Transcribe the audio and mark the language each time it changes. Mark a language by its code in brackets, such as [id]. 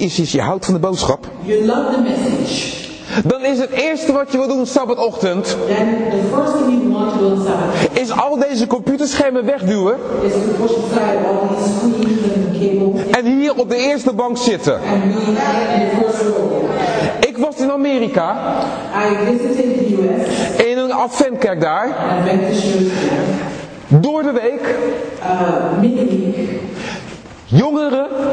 [nl] je houdt van de boodschap. [en] You love the message. [nl] Dan is het eerste wat je wil doen sabbatochtend. [en] The first thing you want to do on Sabbath, [nl] is al deze computerschermen wegduwen. [en] Is to push aside all these screens and cables. [nl] En hier op de eerste bank zitten. [en] And the first row. [nl] Ik was in Amerika. [en] I visited the US. [nl] In een adventkerk daar. [en] Adventist. [nl] Door de week. [en] Midweek. [nl] Jongeren.